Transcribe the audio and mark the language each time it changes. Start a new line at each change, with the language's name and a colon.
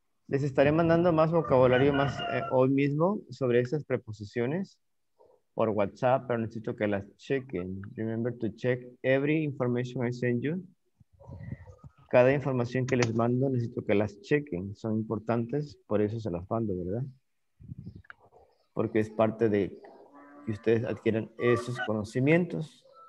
Spanish: Les estaré mandando más vocabulario, más hoy mismo, sobre esas preposiciones por WhatsApp, pero necesito que las chequen.
English: Remember to check every information I send you.
Spanish: Cada información que les mando, necesito que las chequen. Son importantes, por eso se las mando, ¿verdad? Porque es parte de que ustedes adquieran esos conocimientos.